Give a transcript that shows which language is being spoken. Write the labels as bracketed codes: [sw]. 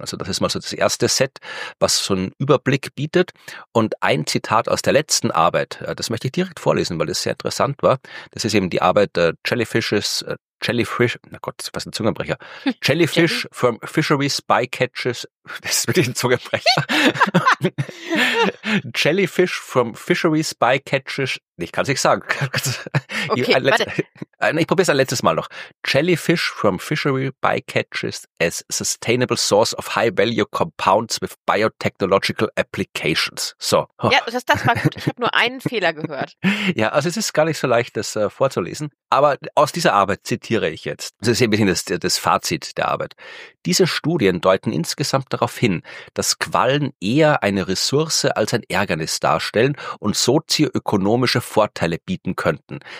[de] Also das ist mal so das erste Set, was so einen Überblick bietet. Und ein Zitat aus der letzten Arbeit, das möchte ich direkt vorlesen, weil das sehr interessant war. Das ist eben die Arbeit Jellyfish from Fisheries Bycatches. Das ist wirklich ein Zungenbrecher. [en] Jellyfish from Fisheries Bycatches. [de] Ich kann es nicht sagen. Okay, ich probiere es ein letztes Mal noch. [en] Jellyfish from Fishery Bycatches as sustainable source of high value compounds with biotechnological applications. [de] So. Ja, das war gut. Ich habe nur einen Fehler gehört. Ja, also es ist gar nicht so leicht, das vorzulesen. Aber aus dieser Arbeit zitiere ich jetzt. Das ist ein bisschen das Fazit der Arbeit. Diese Studien deuten insgesamt darauf hin, dass Quallen eher eine Ressource als ein Ärgernis darstellen und sozioökonomische Vorteile bieten könnten.